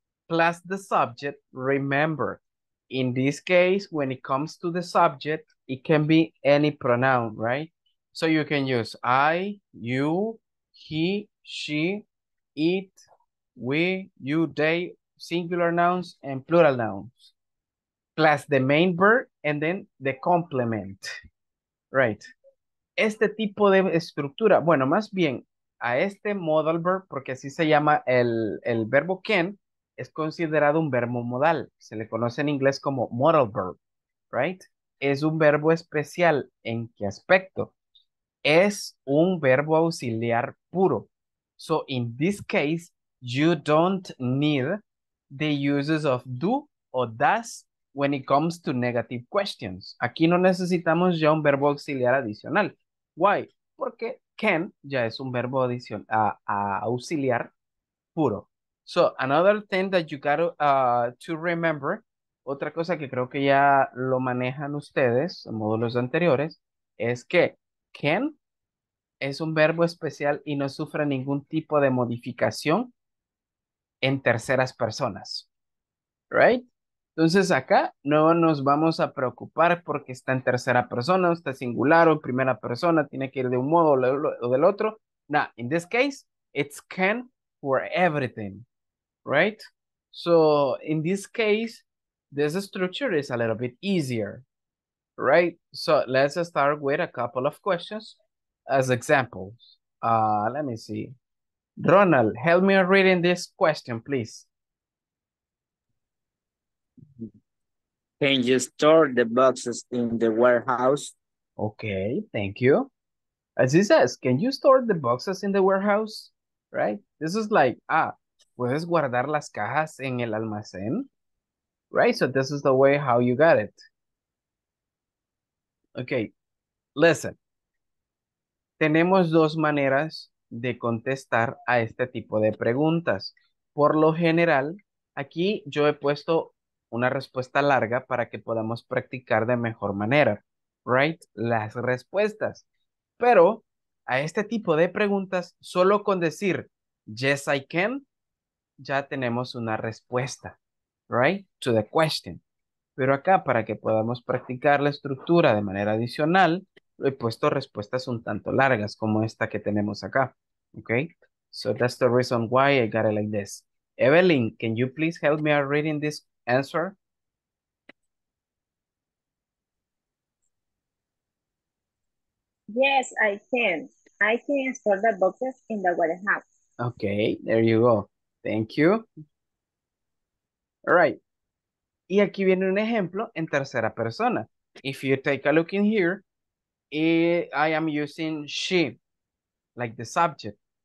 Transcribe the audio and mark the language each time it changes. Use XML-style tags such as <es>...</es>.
<en>Plus the subject. Remember, in this case, when it comes to the subject, it can be any pronoun, right? So you can use I, you, he, she, it, we, you, they, singular nouns and plural nouns, plus the main verb and then the complement, right?</en> <es>Este tipo de estructura, bueno, más bien a este modal verb, porque así se llama el verbo can, es considerado un verbo modal. Se le conoce en inglés como modal verb, right? Es un verbo especial. ¿En qué aspecto? Es un verbo auxiliar puro.</es> <en>So in this case, you don't need the uses of do or does when it comes to negative questions.</en> <es>Aquí no necesitamos ya un verbo auxiliar adicional.</es> <en>Why?</en> <es>Porque can ya es un verbo auxiliar puro.</es> <en>So, another thing that you got to remember,</en> <es>otra cosa que creo que ya lo manejan ustedes en módulos anteriores, es que can es un verbo especial y no sufre ningún tipo de modificación en terceras personas. Right? Entonces, acá no nos vamos a preocupar porque está en tercera persona, está singular o primera persona, tiene que ir de un modo o del otro.</es> <en>Now, in this case, it's can for everything, right? So, in this case, this structure is a little bit easier, right? So, let's start with a couple of questions as examples. Let me see. Ronald, help me reading this question, please. Can you store the boxes in the warehouse? Okay, thank you. As he says, can you store the boxes in the warehouse? Right? This is like,</en> <es>¿puedes guardar las cajas en el almacén? Right?</es> <en>So this is the way how you got it. Okay, listen.</en> <es>Tenemos dos maneras de contestar a este tipo de preguntas. Por lo general, aquí yo he puesto una respuesta larga para que podamos practicar de mejor manera, right? Las respuestas. Pero a este tipo de preguntas, solo con decir,</es> <en>yes, I can,</en> <es>ya tenemos una respuesta, right?</es> <en>To the question.</en> <es>Pero acá, para que podamos practicar la estructura de manera adicional, he puesto respuestas un tanto largas, como esta que tenemos acá, okay?</es> <en>So that's the reason why I got it like this. Evelyn, can you please help me out reading this answer? Yes, I can. I can store the boxes in the warehouse. Okay, there you go. Thank you. All right.</en> <es>Y aquí viene un ejemplo en tercera persona.</es> <en>If you take a look in here, I am using she, like the subject.</en>